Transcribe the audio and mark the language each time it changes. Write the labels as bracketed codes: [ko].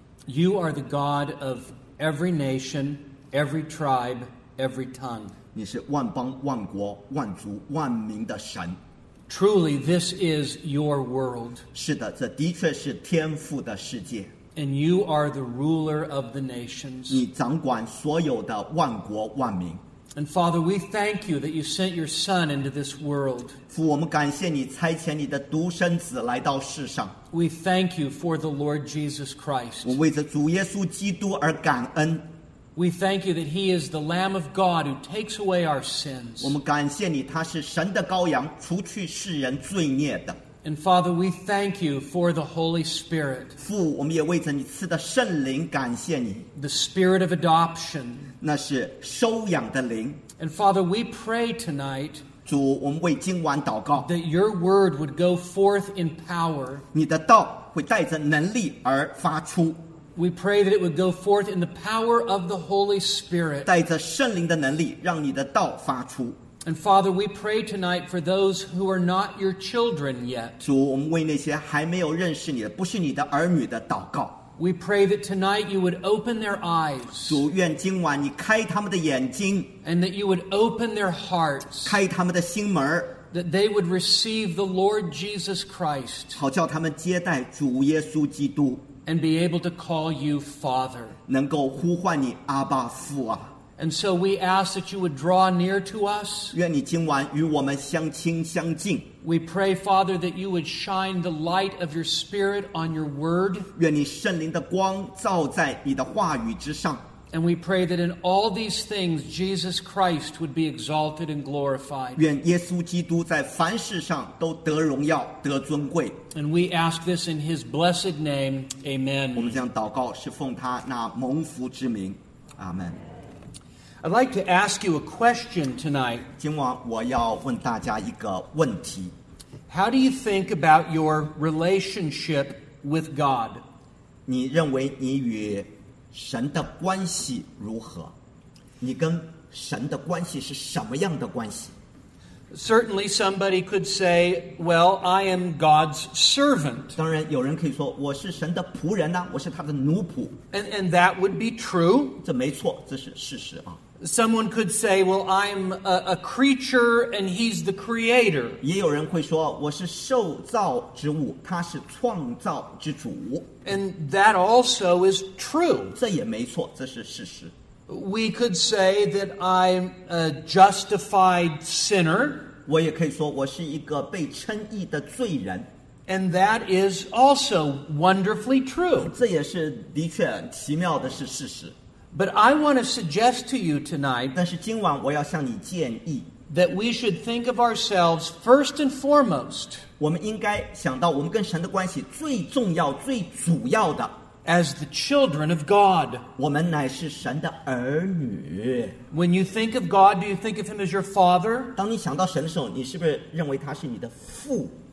[en] You are the God of every nation, every tribe, every tongue. [zh] 你是万邦万国万族万民的神。 [en] Truly, this is your world. [zh] 是的，这的确是天父的世界。 [en] And you are the ruler of the nations. [zh] 你掌管所有的万国万民。 [en] And Father, we thank you that you sent your Son into this world. [zh] 父，我们感谢你差遣你的独生子来到世上。 [en] We thank you for the Lord Jesus Christ. [zh] 我为着主耶稣基督而感恩。 [en] We thank you that he is the Lamb of God who takes away our sins. [zh] 我们感谢你，他是神的羔羊，除去世人罪孽的。 [en] And Father, we thank you for the Holy Spirit. [zh] 父，我们也为着你赐的圣灵感谢你。 [en] The Spirit of adoption. [zh] 那是收养的灵。 [en] And Father, we pray tonight. [zh] 主，我们为今晚祷告。 [en] That your word would go forth in power. [zh] 你的道会带着能力而发出。 [en] We pray that it would go forth in the power of the Holy Spirit. [zh] 带着圣灵的能力，让你的道发出。 [en] And Father, we pray tonight for those who are not your children yet. [zh] 主，我们为那些还没有认识你的，不是你的儿女的祷告。 [en] We pray that tonight you would open their eyes. [zh] 主，愿今晚你开他们的眼睛。 [en] And that you would open their hearts. [zh] 开他们的心门。 [en] That they would receive the Lord Jesus Christ. [zh] 好叫他们接待主耶稣基督。 [en] And be able to call you Father. [zh] 能够呼唤你阿爸父啊。 [en] And so we ask that you would draw near to us. [zh] 愿你今晚与我们相亲相近。 [en] We pray, Father, that you would shine the light of your Spirit on your word. [zh] 愿你圣灵的光照在你的话语之上。 [en] And we pray that in all these things, Jesus Christ would be exalted and glorified. [zh] 愿耶稣基督在凡事上都得荣耀，得尊贵。 [en] And we ask this in his blessed name. Amen. [zh] 我们这样祷告是奉他那蒙福之名。 [en] Amen. I'd like to ask you a question tonight. [zh] 今晚我要问大家一个问题。 [en] How do you think about your relationship with God? [zh] 你认为你与神的关系如何? 你跟神的关系是什么样的关系? [en] Certainly somebody could say, well, I am God's servant. [zh] 当然有人可以说, 我是神的仆人啊, 我是他的奴仆。 [en] And that would be true. [zh] 这没错, 这是事实啊。 [en] Someone could say, well, I'm a creature and he's the creator. [zh] 也有人会说, 我是受造之物, 他是创造之主。 [en] And that also is true. [zh] 这也没错, 这是事实。 [en] We could say that I'm a justified sinner. [zh] 我也可以说我是一个被称义的罪人。 [en] And that is also wonderfully true. [zh] 这也是的确奇妙的是事实。 [en] But I want to suggest to you tonight [zh] 但是今晚我要向你建议, [en] that we should think of ourselves first and foremost [zh] 我们应该想到我们跟神的关系最重要、最主要的, [en] as the children of God. [zh] 我们乃是神的儿女。 [en] When you think of God, do you think of him as your father? [zh] 当你想到神的时候, 你是不是认为他是你的父?